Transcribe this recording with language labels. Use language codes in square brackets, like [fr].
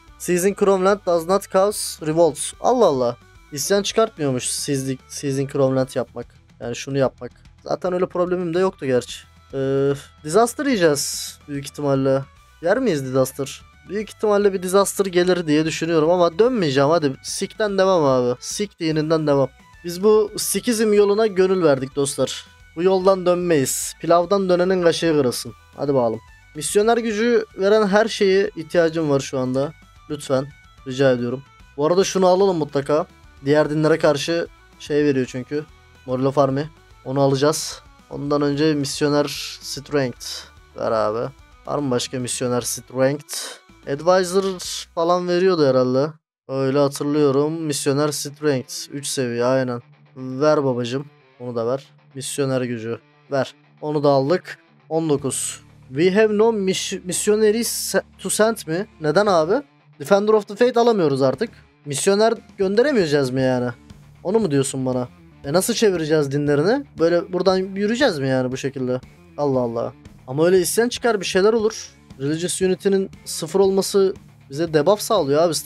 [en] Season Chromeland does not cause revolts. [tr] Allah Allah. İsyan çıkartmıyormuş Season Chromeland yapmak. Yani şunu yapmak. Zaten öyle problemim de yoktu gerçi. Disaster yiyeceğiz büyük ihtimalle. Yer miyiz disaster? Büyük ihtimalle bir disaster gelir diye düşünüyorum ama dönmeyeceğim hadi. Sikten devam abi. Sik dininden devam. Biz bu Sikizm yoluna gönül verdik dostlar. Bu yoldan dönmeyiz. Pilavdan dönenin kaşığı kırılsın. Hadi bakalım. Misyoner gücü veren her şeye ihtiyacım var şu anda. Lütfen. Rica ediyorum. Bu arada şunu alalım mutlaka. Diğer dinlere karşı şey veriyor çünkü. Morula Farm'ı. Onu alacağız. Ondan önce misyoner strength ver abi. Var mı başka misyoner strength? Advisor falan veriyordu herhalde. Öyle hatırlıyorum. Misyoner strength. 3 seviye aynen. Ver babacım. Onu da ver. Misyoner gücü. Ver. Onu da aldık. 19. [en] We have no missionary to send mi? [tr] Neden abi? Defender of the Faith alamıyoruz artık. Misyoner gönderemeyeceğiz mi yani? Onu mu diyorsun bana? E nasıl çevireceğiz dinlerini? Böyle buradan yürüyeceğiz mi yani bu şekilde? Allah Allah. Ama öyle isyan çıkar bir şeyler olur. Religious Unity'nin sıfır olması bize debuff sağlıyor abi.